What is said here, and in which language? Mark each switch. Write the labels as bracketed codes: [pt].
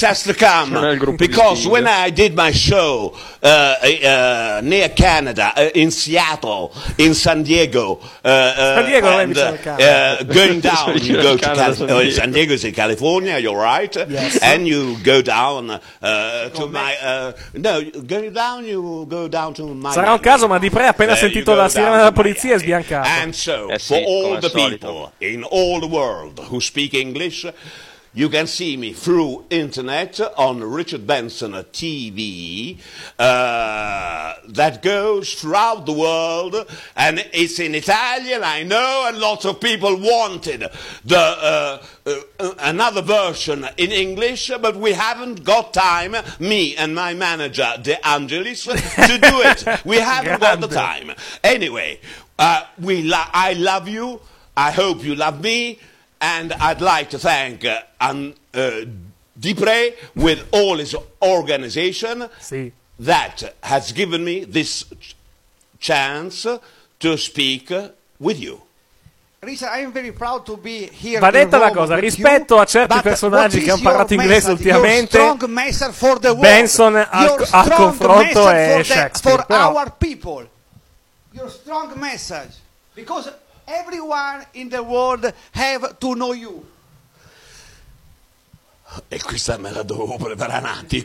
[en] has to come, because when I did my show near Canada, in Seattle, in San Diego, going down, you go to San Diego is in California, you're right, yes, and you go down to my going down you go down to my [it] sarà un caso, ma Di Pre ha appena sentito la sirena della polizia e sbiancato. [en] And so, for all the people in all the world who speak English, you can see me through internet on Richard Benson TV, that goes throughout the world, and it's in Italian. I know a lot of people wanted the another version in English, but we haven't got time, me and my manager De Angelis, to do it. We haven't got the time. Anyway, I love you. I hope you love me. And I'd like to thank Dupre with all his organization, [it] sì, [en] that has given me this chance to speak with you. Risa, I'm very proud to be here. [it] Va detta una cosa, rispetto a certi personaggi che hanno parlato inglese ultimamente, Benson al confronto è Shakespeare. [en] For our people, your strong message, because everyone in the world have to know you. [it] E questa me la dovevo preparare un attimo.